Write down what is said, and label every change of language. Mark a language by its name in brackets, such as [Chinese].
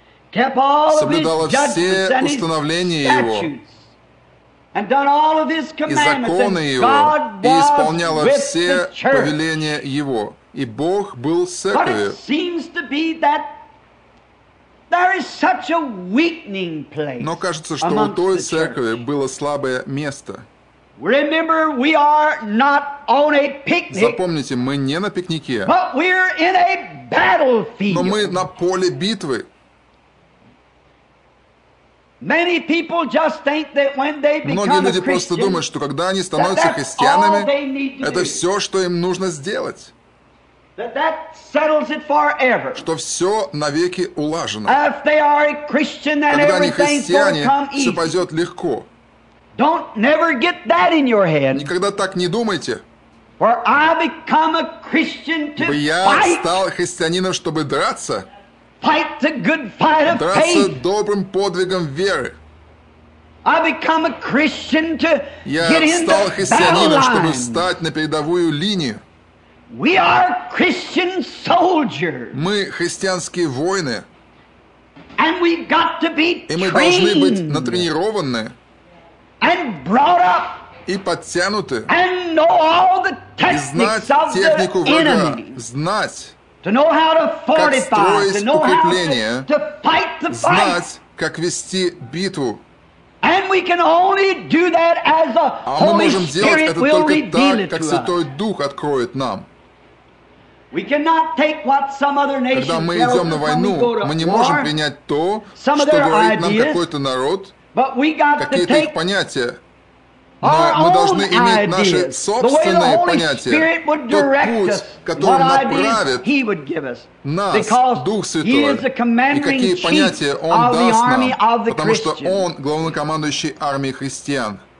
[English] Kept all of His judgments and His statutes. And done all of His commandments, and God was with the church. [Russian] И Бог был с церковью. [English] But it seems to be that there is such a weakening place. [Russian] Но кажется, что у той церкви было слабое место. [English] Remember, we are not on a picnic. [Russian] Запомните, мы не на пикнике. [English] But we're in a battlefield. [Russian] Но мы на поле битвы. [English] Many people just think that when they become [Russian] Многие люди просто думают, что когда они становятся христианами, это все, что им нужно сделать. [English] That settles it forever. [Russian] Что все навеки улажено. [English] If they are a Christian, then everything's gonna come easy. [Russian] Все пойдет легко. [English] Don't never get that in your head. [Russian] Никогда так не думайте. [English] For I become a Christian to fight. [Russian] Я стал христианином, чтобы драться. [English] Fight the good fight of faith. [Russian] Драться добрым подвигом веры. [English] I become a Christian to [Russian] Я [English] get in the battle. [Russian] Я стал христианином, чтобы встать на передовую линию. [English] We are Christian soldiers. [Russian] Мы христианские воины. [English] And we got to be trained. [Russian] И мы должны быть натренированы. [English] And brought up. [Russian] И подтянуты. [English] And know all the techniques [Russian] И знать технику [English] of the [Russian] врага. [English] Enemy. [Russian] Знать. [English] To know how to fortify. [Russian] Как строить укрепление. [English] To fight the fight. [Russian] Знать, как вести битву. [English] And we can only do that as the Holy Spirit will reveal it to us. [Russian] Как Святой Дух откроет нам. [English] We cannot take what some other nation [Russian] Когда мы идем на войну, мы не можем принять то, что говорит нам какой-то народ, какие-то их понятия. Но мы должны иметь наши собственные понятия, тот путь, который направит нас, Дух Святой, и какие понятия Он даст нам, потому что Он главнокомандующий армией христиан.